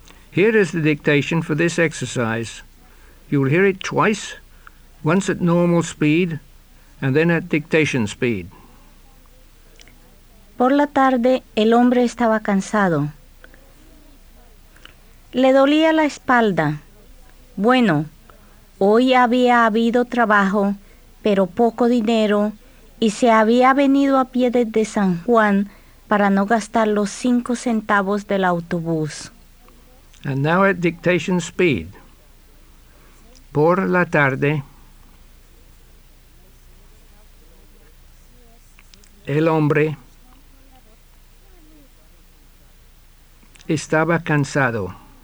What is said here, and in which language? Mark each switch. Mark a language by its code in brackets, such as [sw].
[en] Here is the dictation for this exercise. You will hear it twice, once at normal speed, and then at dictation speed. [es] Por la tarde, el hombre estaba cansado. Le dolía la espalda. Bueno, hoy había habido trabajo, pero poco dinero, y se había venido a pie desde San Juan para no gastar los 5 centavos del autobús. [en] And now at dictation speed. [es] Por la tarde, el hombre estaba cansado.